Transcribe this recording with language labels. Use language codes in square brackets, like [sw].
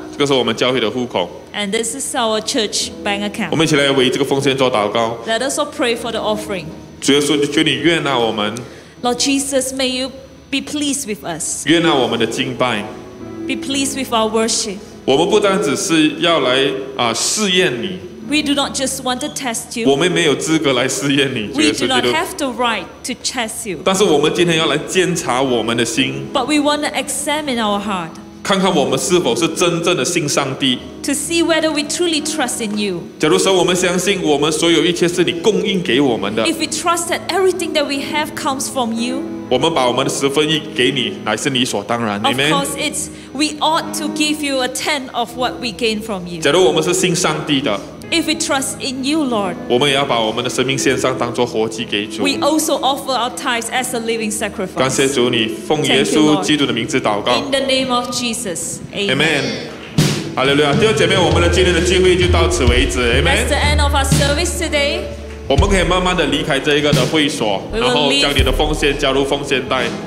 [zh] 这个是我们教会的户口。 [en] And this is our church bank account. [zh] 我们一起来为这个奉献做祷告。 [en] Let us all pray for the offering. [zh] 主耶稣，求你悦纳我们。 [en] Lord Jesus, may you be pleased with us. [zh] 悦纳我们的敬拜。 [en] Be pleased with our worship. [zh] 我们不单只是要来试验你。 [en] We do not just want to test you. [zh] 我们没有资格来试验你。 [en] We do not have the right to test you. [zh] 但是我们今天要来检查我们的心。 [en] But we want to examine our heart. [zh] 看看我们是否是真正的信上帝。 [en] To see whether we truly trust in you. [zh] 假如说我们相信我们所有一切是你供应给我们的。 [en] If we trust that everything that we have comes from you. [zh] 我们把我们的十分一给你，乃是理所当然。 [en] Of course, it's we ought to give you a tenth of what we gain from you. [zh] 假如我们是信上帝的 [en] ，If we trust in you, Lord, [zh] 我们也要把我们的生命献上，当作活祭给主。 [en] We also offer our tithes as a living sacrifice. [zh] 感谢主，你奉耶稣基督的名字祷告。 [en] In the name of Jesus, Amen. Hallelujah. [zh] 弟兄姐妹，我们的今天的聚会就到此为止。 [en] Amen. That's the end of our service today. [zh] 我们可以慢慢的离开这一个的会所，然后将你的奉献加入奉献袋。